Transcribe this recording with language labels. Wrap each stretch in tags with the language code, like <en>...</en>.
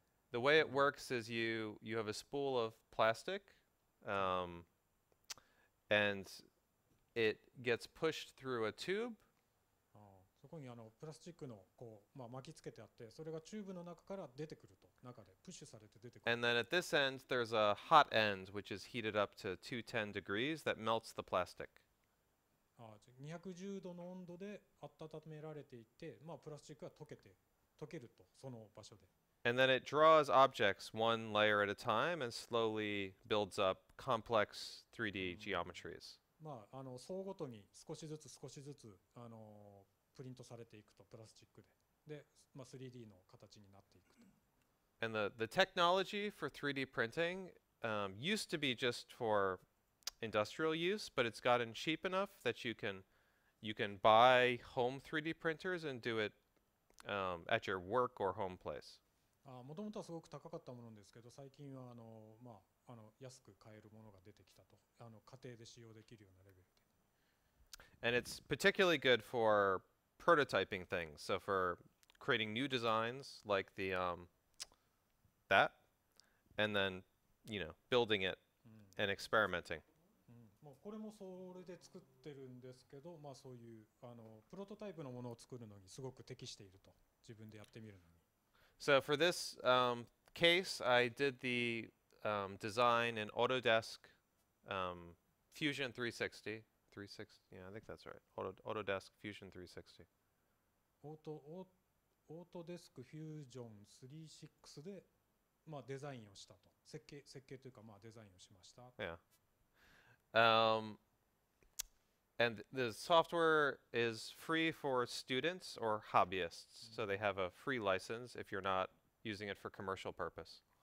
<en>The way it works is you have a spool of plastic, and it gets pushed through a tube.</en> <ja>ここにあのプラスチックのこうまあ巻きつけてあって、それがチューブの中から出てくると、中でプッシュされて出てくる。</ja> <en>And then at this end, there's a hot end which is heated up to 210 degrees that melts the plastic.</en> <ja>ああ、210度の温度で温められていて、まあプラスチックは溶けるとその場所で。</ja> <en>And then it draws objects one layer at a time and slowly builds up complex 3D geometries.</en> <ja>まああの層ごとに少しずつ少しずつあのプリントされていくとプラスチックで、で、まあ 3D の形になっていくと。</ja> <en>And the technology for 3D printing used to be just for industrial use, but it's gotten cheap enough that you can buy home 3D printers and do it at your work or home place.</en> <ja>ああ、もともとはすごく高かったものですけど、最近はあのまああの安く買えるものが出てきたと、あの家庭で使用できるようなレベルで。</ja> <en>And it's particularly good for prototyping things, so for creating new designs like the that, and then you know building it and experimenting.</en> <ja>これもそれで作ってるんですけど、まあそういうあのプロトタイプのものを作るのにすごく適していると自分でやってみるのに。</ja> <en>So for this case, I did the design in Autodesk Fusion 360. 360, yeah, I think that's right. Autodesk Fusion 360.</en> <ja>Autodesk Fusion 360 で、まあ、デザインをしたと。設計というか、まあ、デザインをしました。</ja> <en>Yeah. And the software is free for students or hobbyists, so they have a free license if you're not using it for commercial purpose.</en>